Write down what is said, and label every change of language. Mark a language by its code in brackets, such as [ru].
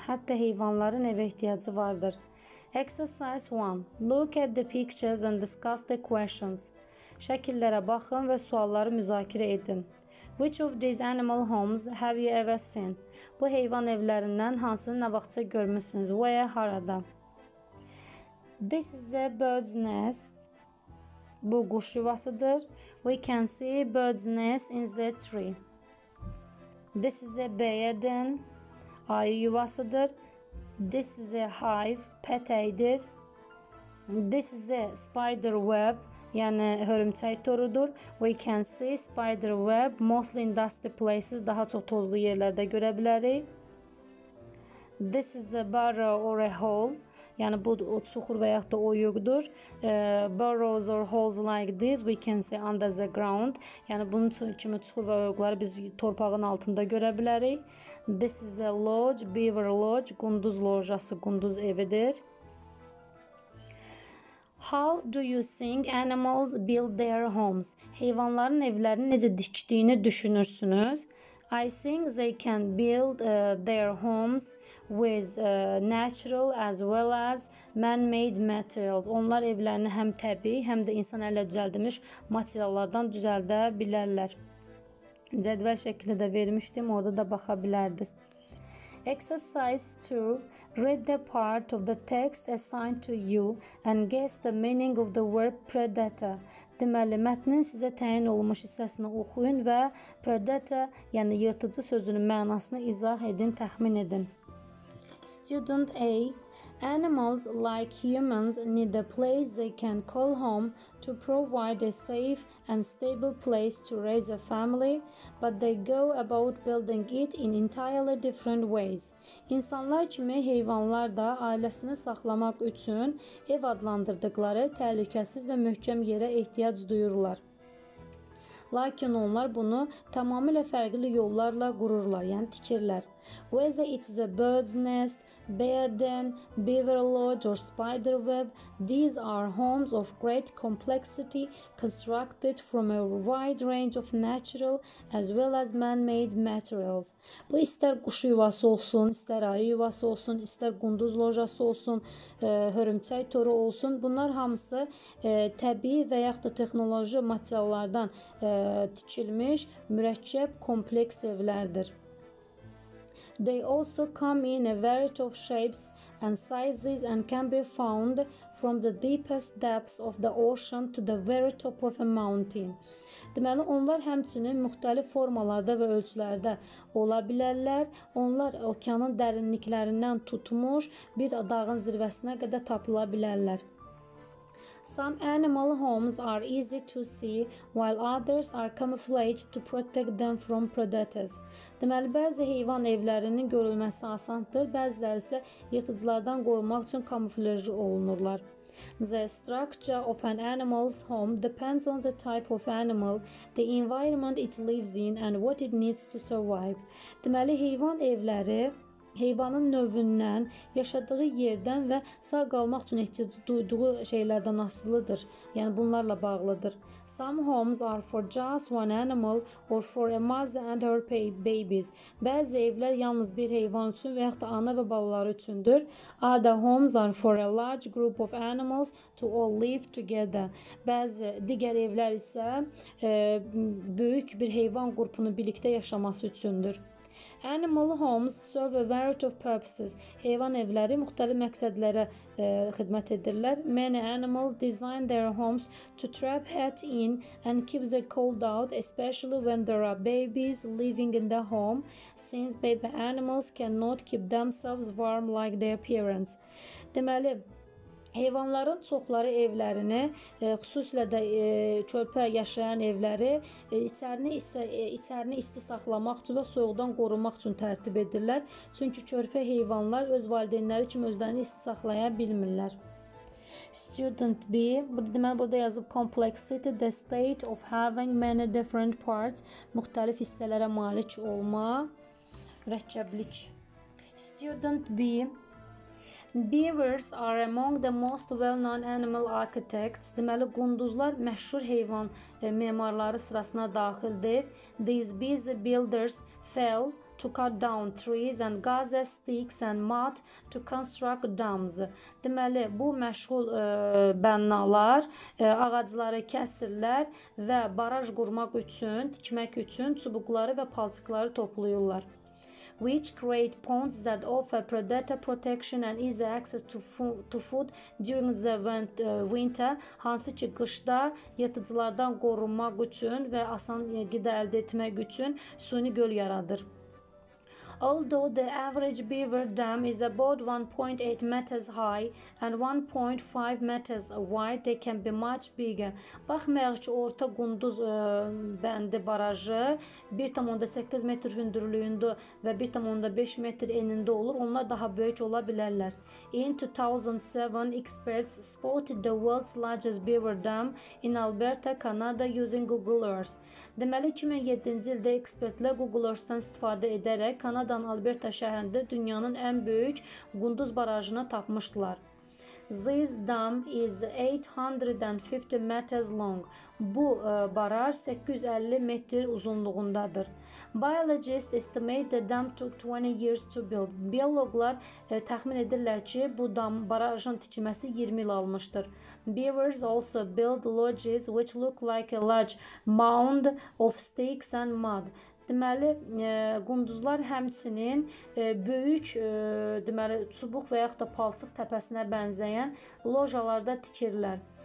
[az] Hətta heyvanların evə ehtiyacı vardır. [en] Exercise 1. Look at the pictures and discuss the questions. [az] Şəkillərə baxın və sualları müzakirə edin. [en] Which of these animal homes have you ever seen? [az] Bu heyvan evlərindən hansını nə vaxtsa görmüşsünüz? [en] Where, [az] harada? [en] This is a bird's nest. [az] Bu quş yuvasıdır. [en] We can see bird's nest in the tree. This is a bedden. [az] Ayı yuvasıdır. [en] This is a hive. [az] Petəydir. [en] This is a spider web. [az] Yəni hörümçək torudur. [en] We can see spider web mostly in dusty places. [az] Daha çox tozlu yerlərdə görə bilərik. [en] This is a burrow or a hole. [az] Yəni bu çuxur və yaxud da oyuqdur. [en] Burrows or holes like this we can see under the ground. [az] Yəni bunun kimi çuxur və oyuqları biz torpağın altında görə bilərik. [en] This is a lodge, beaver lodge, [az] qunduz lojası, qunduz evidir. [en] How do you think animals build their homes? [az] Heyvanların evlərini necə dikdiyini düşünürsünüz? [en] I think they can build their homes with natural as well as man-made materials. [az] Onlar evlərini həm təbii, həm də insan əllə düzəldilmiş materiallardan düzəldə bilərlər. Cədvəl şəklində də vermişdim, orada da baxa bilərdiniz. [en] Exercise 2. Read the part of the text assigned to you and guess the meaning of the word predator. [az] Deməli, mətnin sizə təyin olunmuş hissəsini oxuyun və predator, yəni yırtıcı sözünün mənasını izah edin, təxmin edin. [en] Student A. Animals like humans need a place they can call home to provide a safe and stable place to raise a family, but they go about building it in entirely different ways. [az] İnsanlar kimi heyvanlar da ailəsini saxlamaq üçün ev adlandırdıqları təhlükəsiz və möhkəm yerə ehtiyac duyurlar. Lakin onlar bunu tamamilə fərqli yollarla qururlar, yəni tikirlər. [en] Whether it is a bird's nest, bedden, beaver lodge or spider web, these are homes of great complexity constructed from a wide range of natural as well as man-made materials. [az] Bu istər quş yuvası olsun, istər ayı yuvası olsun, istər qunduz lojası olsun, hörümçək toru olsun. Bunlar hamısı təbii və yaxud da texnoloji materiallardan tikilmiş mürəkkəb kompleks evlərdir. [en] They also come in a variety of shapes and sizes and can be found from the deepest depths of the ocean to the very top of a mountain. [az] Deməli, onlar həmçinin müxtəlif formalarda və ölçülərdə ola bilərlər. Onlar okeanın dərinliklərindən tutmuş bir dağın zirvəsinə qədər tapıla bilərlər. [en] Some animal homes are easy to see while others are camouflaged to protect them from predators. [az] Deməli, bəzi heyvan evlərinin görülməsi asandır, bəziləri isə yırtıcılardan qorunmaq üçün kamuflaj olunurlar. [en] The structure of an animal's home depends on the type of animal, the environment it lives in and what it needs to survive. [az] Deməli, heyvan evləri heyvanın növündən, yaşadığı yerdən və sağ qalmaq üçün ehtiyac duyduğu şeylərdən asılıdır. Yəni bunlarla bağlıdır. [en] Some homes are for just one animal or for a mother and her babies. [az] Bəzi evlər yalnız bir heyvan üçün və yaxud da ana və balaları üçündür. [en] Other homes are for a large group of animals to all live together. [az] Bəzi digər evlər isə böyük bir heyvan qrupunun birlikdə yaşaması üçündür. [en] Animal homes serve a variety of purposes. [az] Heyvan evləri müxtəlif məqsədlərə xidmət edirlər. [en] Many animals design their homes to trap heat in and keep the cold out, especially when there are babies living in the home, since baby animals cannot keep themselves warm like their parents. [az] Deməli, heyvanların çoxları evlərini, xüsusilə də körpə yaşayan evləri içərini isti saxlamaq üçün və soyuqdan qorunmaq üçün tərtib edirlər. Çünki körpə heyvanlar öz valideynləri kimi özlərini isti saxlaya bilmirlər. [en] Student B. [az] Deməli, burada yazıb [en] complexity, the state of having many different parts, [az] müxtəlif hissələrə malik olma, rəkkəblik. [en] Student B. Beavers are among the most well-known animal architects. [az] Deməli, qunduzlar məşhur heyvan memarları sırasına daxildir. [en] These busy builders fell to cut down trees and gaza sticks and mud to construct dams. [az] Deməli, bu məşhur bənnalar ağacları kəsirlər və baraj qurmaq üçün, tikmək üçün çubuqları və palçıqları topluyurlar. [en] Which create ponds that offer predator protection and easy access to food during the winter. [az] Hansı ki, qışda yırtıcılardan qorunmaq üçün və asan qida əldə etmək üçün suni göl yaradır. [en] Although the average beaver dam is about 1.8 meters high and 1.5 meters wide, they can be much bigger. [az] Baxmayaraq ki, orta qunduz bəndi barajı 1.8 metr hündürlüyündə və 1.5 metr enində olur, onlar daha böyük ola bilərlər. [en] In 2007, experts spotted the world's largest beaver dam in Alberta, Canada using Google Earth. [az] Deməli, 2007-ci ildə ekspertlər Google Earth-dan istifadə edərək Kanada Alberta şəhərində dünyanın ən böyük qunduz barajını tapmışdılar. [en] This dam is 850 meters long. [az] Bu baraj 850 metr uzunluğundadır. [en] Biologists estimate the dam took 20 years to build. [az] Biyoloqlar təxmin edirlər ki, bu dam barajın tikilməsi 20 il almışdır. [en] Beavers also build lodges which look like a large mound of sticks and mud. [az] Deməli, qunduzlar həmçinin böyük deməli, çubuq və yaxud da palçıq təpəsinə bənzəyən lojalarda tikirlər.